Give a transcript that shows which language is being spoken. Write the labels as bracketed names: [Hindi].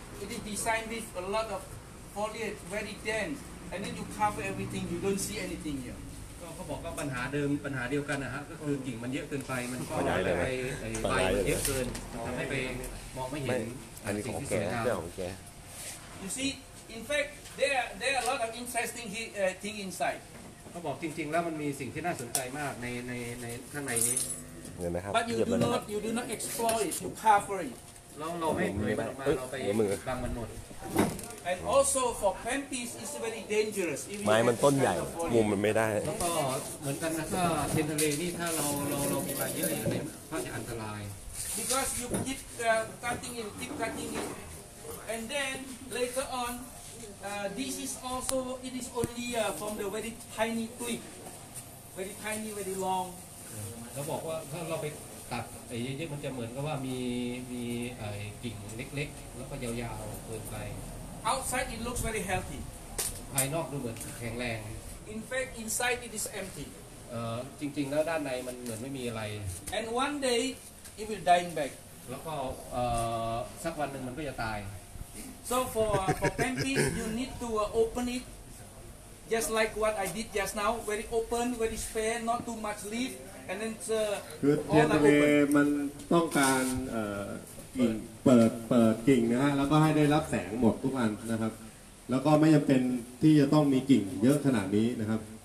[English] it is designed with a lot of foliage, very dense, and then you cover everything, you don't see anything here. [Thai] เขาบอกว่าปัญหาเดิมปัญหาเดียวกันนะฮะก็คือกิ่งมันเยอะเกินไปมันก็ ไป ใบเยอะเกิน ทำให้ไปมองไม่เห็น อันนี้ของแกเรื่องของแก [English] You see in fact there are a lot of interesting thing inside [Thai] เขาบอกจริงๆแล้วมันมีสิ่งที่น่าสนใจมากในข้างในนี้เห็นไหมครับ [English] But you do not explore it you cover it [Thai] เราไม่เผยมันออกมาเราไปบังมันหมด [English] And also for Pemphis is very dangerous. [Thai] ไม้มันต้นใหญ่มุมมันไม่ได้ แล้วก็เหมือนกันนะก็เทนทะเลนี่ถ้าเรามีไปเยอะอย่างนี้ก็จะอันตราย [English] Because you keep cutting it, and then later on, this is also it is only from the very tiny twig, very tiny, very long. [Thai] เขาบอกว่าถ้าเราไปตัดไอ้เยอะๆมันจะเหมือนกับว่ามีไอ้กิ่งเล็กๆแล้วก็ยาวๆเกินไป [English] Outside it looks very healthy. [Thai] ภายนอกดูเหมือนแข็งแรง [English] In fact, inside it is empty. [Thai] จริงๆแล้วด้านในมันเหมือนไม่มีอะไร [English] And one day it will dying back. [Thai] แล้วก็สักวันหนึ่งมันก็จะตาย [English] So for Pemphis, you need to open it just like what I did just now. Very open, very spare, not too much leaf, and then all are open. [Thai] มันต้องการเปิดกิ่งนะฮะแล้วก็ให้ได้รับแสงหมดทุกอันนะครับแล้วก็ไม่จำเป็นที่จะต้องมีกิ่งเยอะขนาดนี้นะครับ